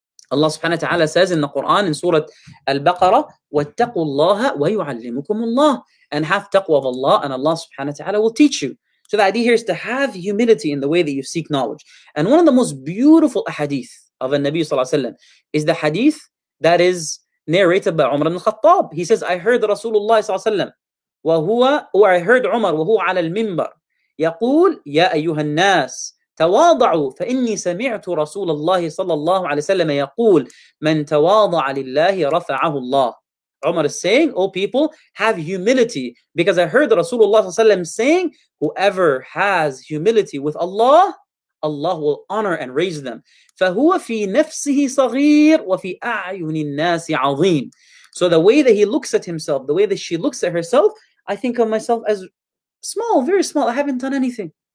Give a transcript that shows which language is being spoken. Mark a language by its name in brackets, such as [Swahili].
[English] Allah subhanahu wa ta'ala says in the Quran, in Surah Al-Baqarah, [Arabic] وَاتَّقُوا اللَّهَ وَيُعَلِّمُكُمُ اللَّهِ, [English] and have taqwa of Allah, and Allah subhanahu wa ta'ala will teach you. So the idea here is to have humility in the way that you seek knowledge. And one of the most beautiful ahadith of the Nabi sallallahu alayhi wa sallam is the hadith that is narrated by Umar ibn al-Khattab. He says, I heard Rasulullah sallallahu alayhi wa sallam, or I heard Umar, [Arabic] وَهُوَ عَلَى الْمِنْبَرِ يَقُولْ يَا أَيُّهَا النَّاسِ تَوَاضَعُوا فَإِنِّي سَمِعْتُ رَسُولَ اللَّهِ صَلَّى اللَّهُ عَلَيْهِ وَسَلَّمَ يَقُولْ مَنْ تَوَاضَعَ لِلَّهِ رَفَعَهُ اللَّهُ. [English] Umar is saying, oh people, have humility, because I heard Rasulullah saying, whoever has humility with Allah, Allah will honor and raise them. [Arabic] فَهُوَ فِي نَفْسِهِ صَغِيرٌ وَفِي أَعْيُنِ النَّاسِ عَظِيمٌ. [English] So the way that he looks at himself, the way that she looks at herself, I think of myself as small, very small. I haven't done anything.